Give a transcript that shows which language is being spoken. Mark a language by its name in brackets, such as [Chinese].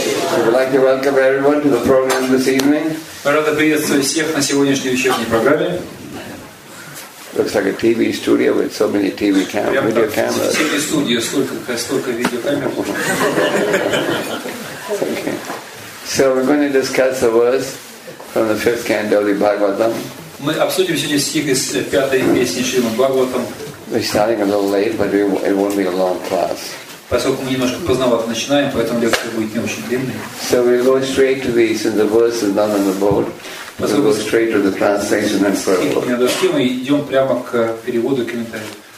[English] I would like to welcome everyone to the program this evening. [Russian] Рада приветствовать всех на сегодняшней вечерней программе. [English] Looks like a TV studio with so many TV cameras. Video cameras. TV studio, [Russian] столько видеокамер. [English] Okay. So we're going to discuss the verse from the fifth canto of the Bhagavatam. [Russian] Мы обсудим сегодня стих из пятой песни Шримад Бхагаватам. [English] We're starting a little late, but it won't be a long class. [Russian] Поскольку мы немножко поздновато начинаем, поэтому лекция будет не очень длинной. [English] So we'll go straight to the, since the verse is not on the board, we'll go straight to the translation and prayer book. [Russian] На доске мы идем прямо к переводу и комментарию.